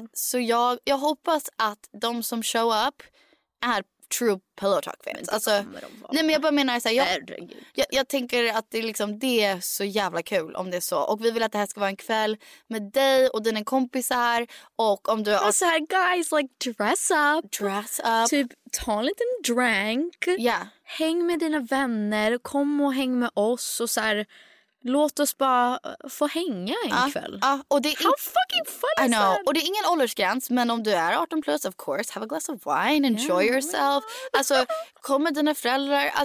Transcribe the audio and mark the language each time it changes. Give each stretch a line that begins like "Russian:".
Swedish: Ja. Så jag hoppas att de som show up är
English: true pillow talk fans.
Swedish: Men alltså, nej, men jag bara menar så här, jag tänker att det är liksom, det är så jävla kul om det är så. Och vi vill att det här ska vara en kväll med dig och dina kompisar. Och om du
English: så här, guys, like dress up.
Swedish: Typ ta en liten drink. Ja. Yeah. Häng med dina vänner, kom och häng med oss och så här. Låt oss bara få hänga en kväll. Och det är
English: how fucking fun is I know.
Swedish: That? Och det är ingen åldersgräns, men om du är 18 plus,
English: of course, have a glass of wine, enjoy yourself.
Swedish: Alltså, kom med dina föräldrar.